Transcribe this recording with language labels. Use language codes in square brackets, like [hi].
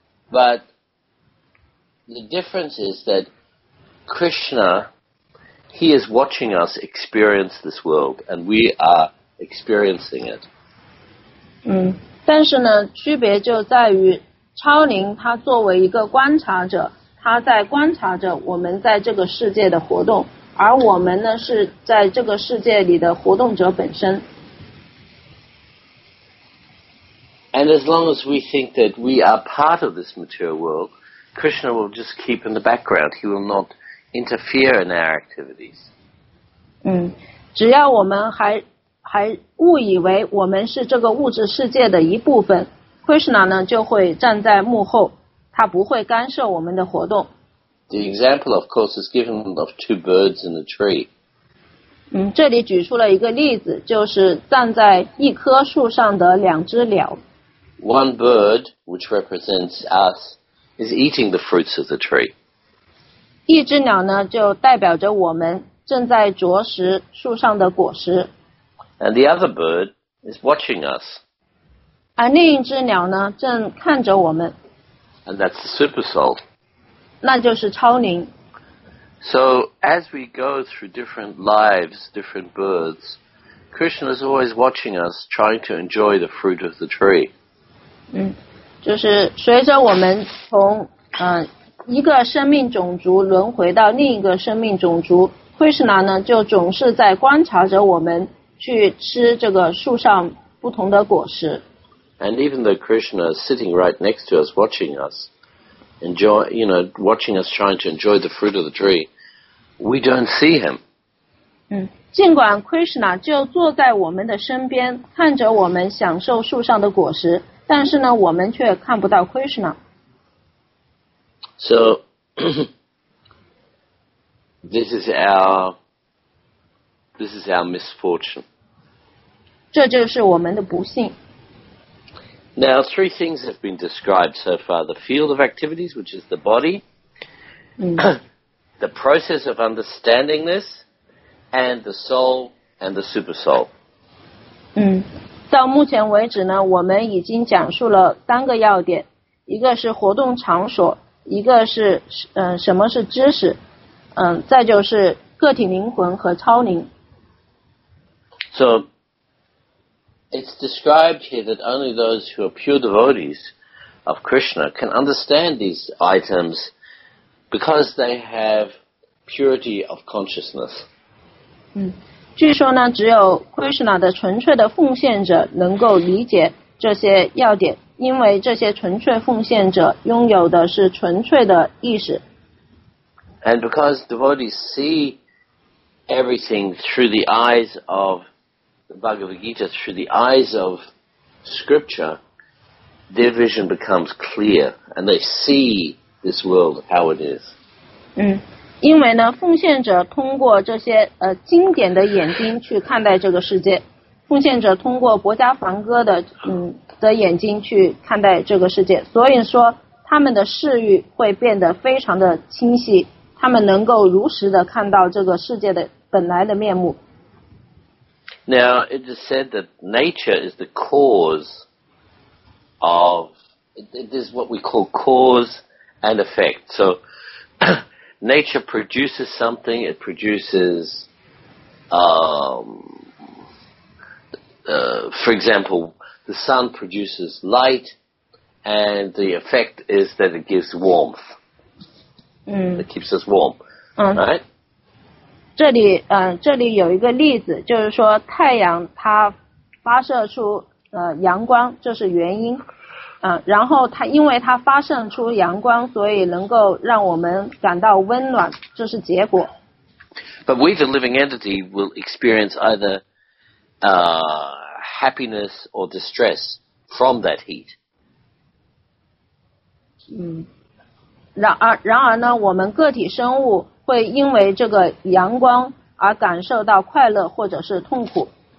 [en] But the difference is that Krishna, he is watching us experience this world, and we are experiencing it. [zh] 但是呢，区别就在于超灵他作为一个观察者，他在观察着我们在这个世界的活动，而我们呢是在这个世界里的活动者本身。 [en] And as long as we think that we are part of this material world, Krishna will just keep in the background. He will not interfere in our activities. [zh] 只要我们还误以为我们是这个物质世界的一部分， Krishna 呢就会站在幕后，他不会干涉我们的活动。 [en] The example, of course, is given of two birds in a tree. [zh] 这里举出了一个例子，就是站在一棵树上的两只鸟。 [en] One bird, which represents us, is eating the fruits of the tree. [zh] 一只鸟呢，就代表着我们正在啄食树上的果实。 [en] And the other bird is watching us. [zh] 而另一只鸟呢，正看着我们。 [en] And that's the super soul. [zh] 那就是超灵。 [en] So as we go through different lives, different births, Krishna is always watching us, trying to enjoy the fruit of the tree. [zh] 就是随着我们从一个生命种族轮回到另一个生命种族， Krishna 呢就总是在观察着我们去吃这个树上不同的果实。 [en] And even though Krishna is sitting right next to us, watching us, watching us trying to enjoy the fruit of the tree, we don't see him. [zh] 尽管 Krishna 就坐在我们的身边，看着我们享受树上的果实，但是呢，我们却看不到 Krishna。 [en] So, this is our misfortune. [zh] 这就是我们的不幸。 [en] Now, three things have been described so far. The field of activities, which is the body, the process of understanding this, and the soul and the super soul. [zh] 到目前为止呢，我们已经讲述了三个要点，一个是活动场所，一个是什么是知识，再就是个体灵魂和超灵。 [en] So, it's described here that only those who are pure devotees of Krishna can understand these items because they have purity of consciousness. [zh] 据说呢，只有 Krishna 的纯粹的奉献者能够理解这些要点，因为这些纯粹奉献者拥有的是纯粹的意识。 [en] And because devotees see everything through the eyes of the Bhagavad Gita, through the eyes of scripture, their vision becomes clear, and they see this world how it is. [zh] 因为呢，奉献者通过这些经典的眼睛去看待这个世界，奉献者通过薄伽梵歌的眼睛去看待这个世界，所以说他们的视域会变得非常的清晰，他们能够如实的看到这个世界的本来的面目。 [en] Now it is said that nature is the cause of it is what we call cause and effect. So nature produces something, it produces, for example, the sun produces light, and the effect is that it gives warmth. It keeps us warm, right? [zh] 这里有一个例子，就是说太阳它发射出阳光，这是原因。然后它因为它发射出阳光，所以能够让我们感到温暖，这是结果。 [en] But we, the living entity, will experience either happiness or distress from that heat. [zh] 然而呢，我们个体生物会因为这个阳光而感受到快乐或者是痛苦。